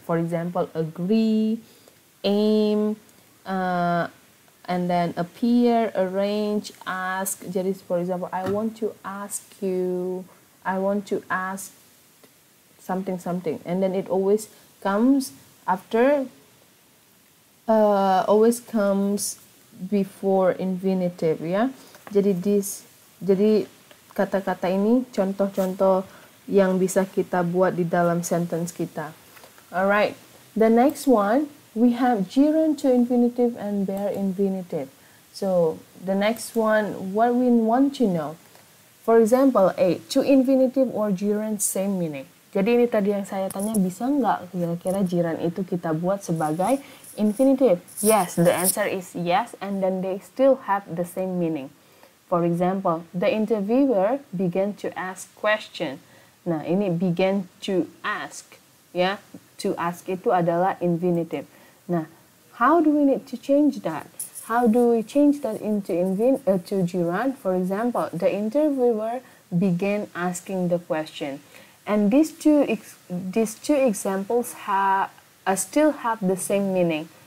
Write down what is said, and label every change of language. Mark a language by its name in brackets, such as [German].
[English] For example, agree, aim, and then appear, arrange, ask. [Indonesian] Jadi, [English] for example, I want to ask you, I want to ask something, something. And then it always comes after, always comes before infinitive, [Indonesian] ya. Jadi, this, jadi kata-kata ini contoh-contoh yang bisa kita buat di dalam sentence kita. [English] Alright, the next one. We have gerund to infinitive and bare infinitive. So, the next one, what we want to know. For example, A, to infinitive or gerund same meaning. [Indonesian] Jadi, ini tadi yang saya tanya, bisa nggak kira-kira gerund itu kita buat sebagai infinitive? [English] Yes, the answer is yes, and then they still have the same meaning. For example, the interviewer began to ask question. [Indonesian] Nah, ini [English] began to ask. [Indonesian] Ya, to ask itu adalah infinitive. [English] Nah, how do we need to change that? How do we change that into to gerund? For example, the interviewer began asking the question. And these two examples still have the same meaning.